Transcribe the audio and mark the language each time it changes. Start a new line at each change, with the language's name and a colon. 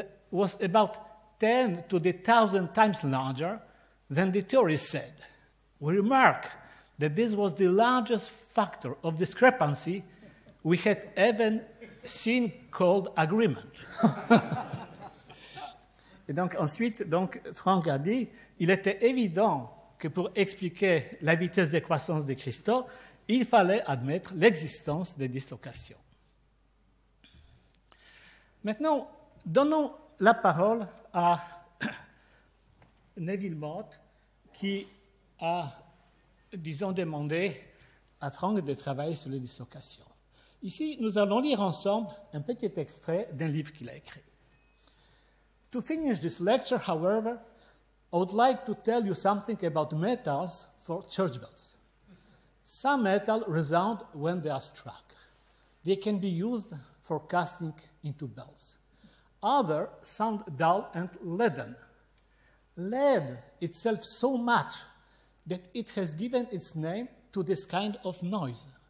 English: was about 10 to the 1,000 times larger than the theorists said. We remark that this was the largest factor of discrepancy we had ever seen called agreement.
French: Et donc ensuite, donc, Frank a dit, il était évident que pour expliquer la vitesse de croissance des cristaux, il fallait admettre l'existence des dislocations. Maintenant, donnons la parole à Neville Mott, qui a, disons, demandé à Frank de travailler sur les dislocations. Ici, nous allons lire ensemble un petit extrait d'un livre qu'il a écrit.
English: To finish this lecture, however, I would like to tell you something about metals for church bells. Some metals resound when they are struck. They can be used for casting into bells. Others sound dull and leaden. Lead itself so much that it has given its name to this kind of noise.